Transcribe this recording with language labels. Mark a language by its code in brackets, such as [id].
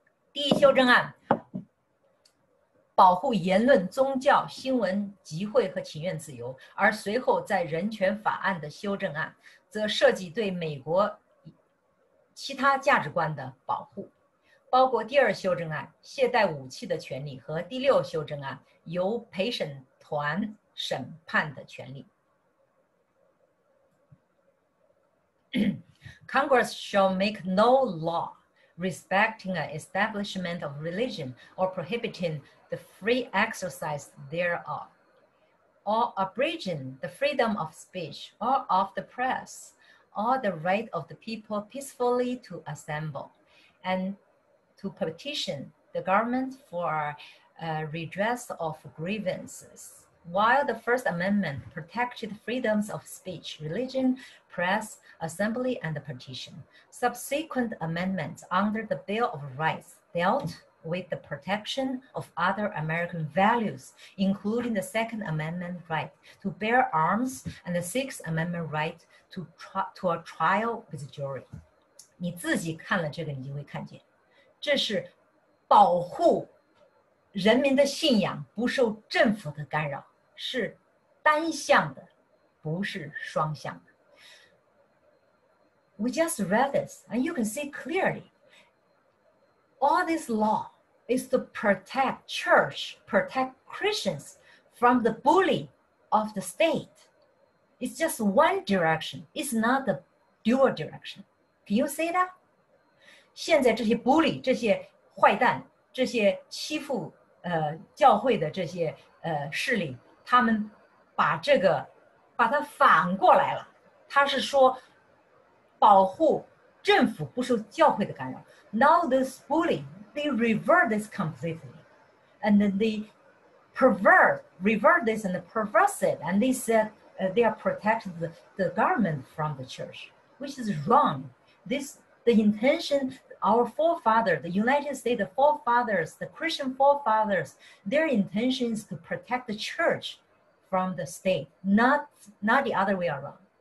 [zh] 第一修正案保护言论、宗教、新闻、集会和请愿自由，而随后在人权法案的修正案则涉及对美国其他价值观的保护，包括第二修正案携带武器的权利和第六修正案由陪审团审判的权利。 [en] Congress shall make no law respecting an establishment of religion or prohibiting the free exercise thereof, or abridging the freedom of speech or of the press, or the right of the people peacefully to assemble and to petition the government for redress of grievances. While the First Amendment protected freedoms of speech, religion, press, assembly, and the petition, subsequent amendments under the Bill of Rights dealt with the protection of other American values, including the Second Amendment right to bear arms and the Sixth Amendment right to a trial with a jury. [zh] 你自己看了这个，你就会看见，这是保护人民的信仰不受政府的干扰，是单向的，不是双向的。 [en] We just read this, and you can see clearly all this law is to protect church, protect Christians from the bully of the state. It's just one direction. It's not the dual direction. Can you see that? [zh] 现在这些 bully, 这些坏蛋，这些欺负教会的这些势力，他们把这个把它反过来了。他是说保护政府不受教会的干扰。 [en] Now this bully,they revert this completely. And then they revert this and perverse it. And they said they are protecting the government from the church, which is wrong. This, the intention, our forefathers, the United States forefathers, the Christian forefathers, their intention is to protect the church from the state, not the other way around.